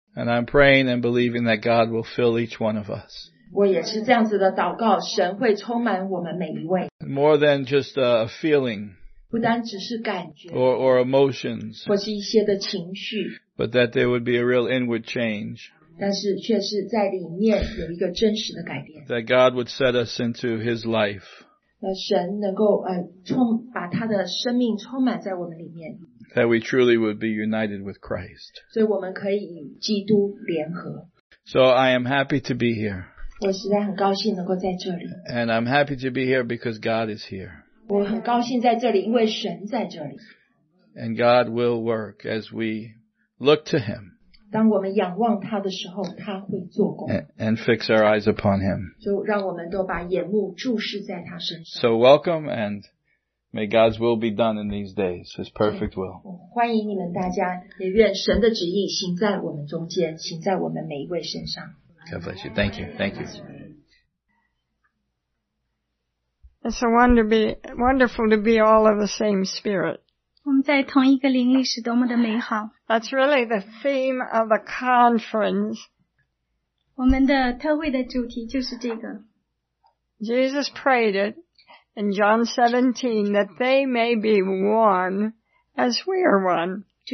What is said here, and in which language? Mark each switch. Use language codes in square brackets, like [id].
[en] And I'm praying and believing that God will fill each one of us. [zh] 我也是这样子的祷告，神会充满我们每一位。 [en] More than just a feeling. [zh] 不单只是感觉。 [en] Or emotions. [zh] 或是一些的情绪。 [en] But that there would be a real inward change. [zh] 但是却是在里面有一个真实的改变。 [en] That God would set us into His life. [zh] 神能够把他的生命充满在我们里面。 [en] That we truly would be united with Christ. [zh] 所以我们可以与基督联合。 [en] So I am happy to be here. [zh] 我实在很高兴能够在这里。 [en] And I'm happy to be here because God is here. [zh] 我很高兴在这里，因为神在这里。 [en] And God will work as we look to Him. [zh] 当我们仰望他的时候，他会做工。 [en] And fix our eyes upon him. [zh] 就让我们都把眼目注视在他身上。 [en] So welcome and may God's will be done in these days, his perfect will. [zh] 欢迎你们大家，也愿神的旨意行在我们中间，行在我们每一位身上。 [en] God bless you. Thank you. Thank you. It's a wonderful to be all of the same spirit. [zh] 我们在同一个灵里是多么的美好。 [en] That's really the theme of the conference. [zh] 我们的特会的主题就是这个。 [en] Jesus prayed it in John 17 that they may be one as we are one.